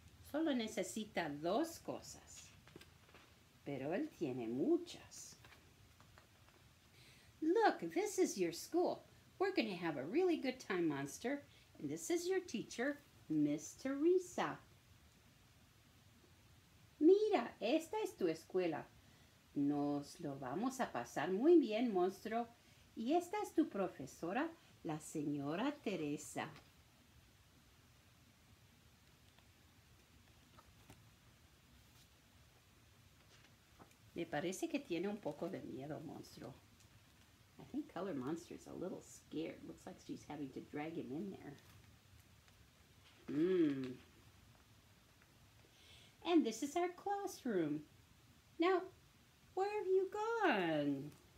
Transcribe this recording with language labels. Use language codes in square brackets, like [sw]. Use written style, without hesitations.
[es] Solo necesita dos cosas, pero él tiene muchas. [en] Look, this is your school. We're going to have a really good time, monster. And this is your teacher, Miss Teresa. [es] Mira, esta es tu escuela. Nos lo vamos a pasar muy bien, monstruo. Y esta es tu profesora, la señora Teresa. Me parece que tiene un poco de miedo, monstruo. [en] I think Color Monster is a little scared. Looks like she's having to drag him in there. And this is our classroom. Now, where have you gone?